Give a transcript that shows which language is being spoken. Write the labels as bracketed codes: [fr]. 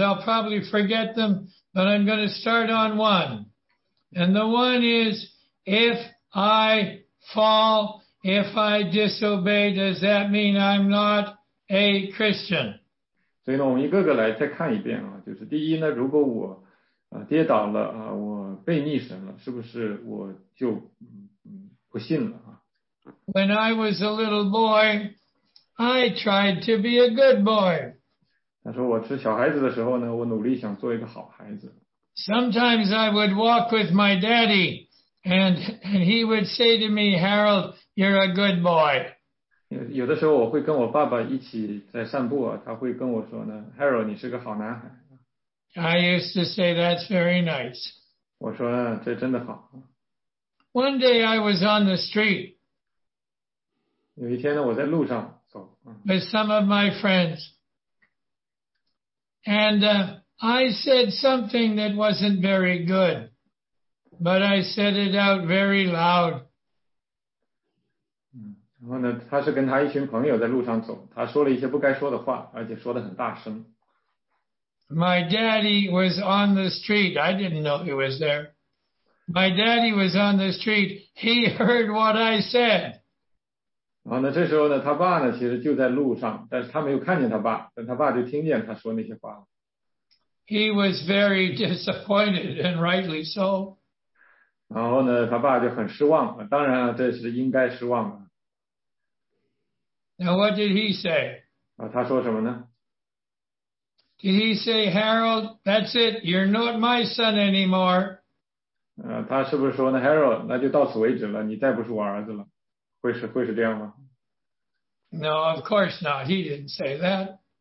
[en] I'll probably forget them, but I'm going to start on one. And the one is, if I fall, if I disobey, does that mean I'm not a Christian? [zh] 所以呢，我们一个个来再看一遍啊。就是第一呢，如果我跌倒了啊，我被逆神了，是不是我就不信了啊 [en] ？When I was a little boy, I tried to be a good boy. [zh] 他说我是小孩子的时候呢，我努力想做一个好孩子。 [en] Sometimes I would walk with my daddy, and he would say to me, "Harold, you're a good boy." [zh] 有的时候我会跟我爸爸一起在散步啊，他会跟我说呢 ，Harold， 你是个好男孩。 [en] I used to say, that's very nice. [zh] 我说这真的好。 [en] One day I was on the street. [zh] 有一天呢，我在路上走。 [en] With some of my friends. And I said something that wasn't very good. But I said it out very loud. [zh] 然后呢，他是跟他一群朋友在路上走，他说了一些不该说的话，而且说得很大声。 [en] My daddy was on the street. I didn't know he was there. My daddy was on the street. He heard what I said. [zh] 然后呢，这时候呢，他爸呢，其实就在路上，但是他没有看见他爸，但他爸就听见他说那些话了。 [en] He was very disappointed, and rightly so. [zh] 然后呢，他爸就很失望，当然这是应该失望的。 [en] Now, what did he say? [zh] 他说什么呢？ [en] Did he say, Harold, that's it, you're not my son anymore? [zh] 他是不是说呢 ,Harold, 那就到此为止了，你再不是我儿子了，会是这样吗？ [en] No, of course not, he didn't say that.